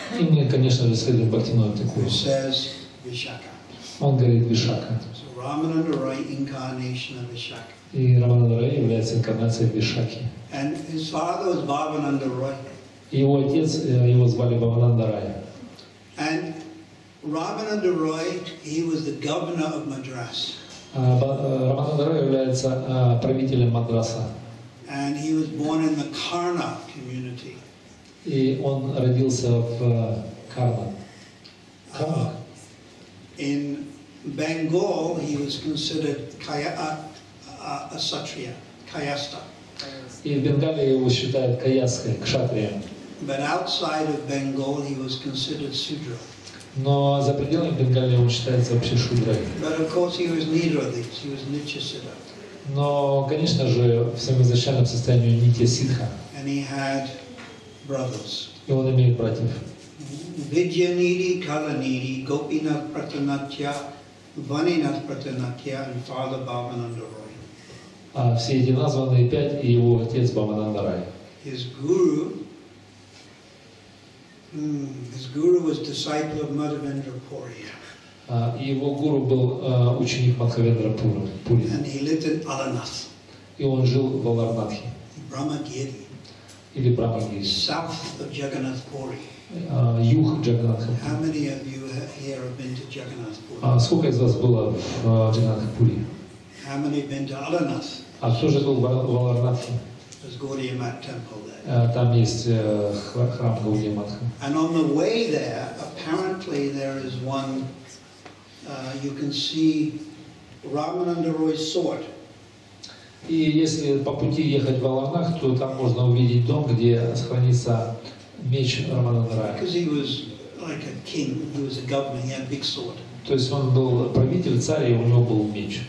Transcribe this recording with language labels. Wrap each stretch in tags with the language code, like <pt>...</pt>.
<ru>И мы, конечно же, следуем Бхактивинода Тхакура.</ru> <en>Who says Вишакха?</en> <ru>Он говорит Вишакха.</ru> <en>So Рамананда Рой incarnation of Вишакха.</en> <ru>И Рамананда Рой является инкарнацией Вишакхи.</ru> <en>And his father was Bhavananda Roy.</en> <ru>Его отец, его звали Бхавананда Рой.</ru> <en>And Ramananda Roy, he was the governor of Madras.</en> <ru>Рамананда Рой является правителем Мадраса.</ru> <en>And he was born in the Karna community.</en> <ru>И он родился в Карна.</ru> <en>In Bengal, he was considered a Kshatriya, Kayasta.</en> <ru>И в Бенгалии его считают каястой, кшатрием.</ru> <en>But outside of Bengal, he was considered Sudra.</en> <ru>Но за пределами Бенгалии он считается вообще шудрой.</ru> <en>But of course he was neither of these. He was Нитья-сиддха.</en> <ru>Но, конечно же, в своем изначальном состоянии он Нитья-сиддха.</ru> <en>And he had brothers.</en> <ru>И он имеет братьев.</ru> <en>Vidyanidhi, Kalanidhi, Gopinath Pratanatya, Vaninath Pratanatya, and Father Bhavananda Roy.</en> <ru>Все эти названные пять и его отец Бхавананда Рой.</ru> <en>His guru was disciple of Madhavendra Puri.</en> <ru>Его гуру был ученик Мадхавендра Пури.</ru> <en>And he lived in Alarnath.</en> <ru>И он жил в Аларнатхе.</ru> <en>Брахмагири.</en> <ru>Или Брахмагири.</ru> <en>South of Jagannath Puri.</en> <ru>Юг Джагнатха.</ru> <en>How many of you here have been to Jagannath Puri?</en> <ru>Сколько из вас было в Джагнатхе Пури?</ru> <en>How many have been to Alarnath?</en> <ru>А кто же был в Аларнатхе?</ru> <en>There's Gaudiya Math Temple there.</en> <ru>Там есть храм Гаудия Матха.</ru> <en>And on the way there, apparently there is one. You can see Ramananda Roy's sword.</en> <ru>И если по пути ехать в Аларнах, то там можно увидеть дом, где хранится меч Рамананда Роя.</ru> <en>Because he was like a king. He was a governor. He had a big sword.</en> <ru>То есть он был правитель, царь, и у него был меч.</ru>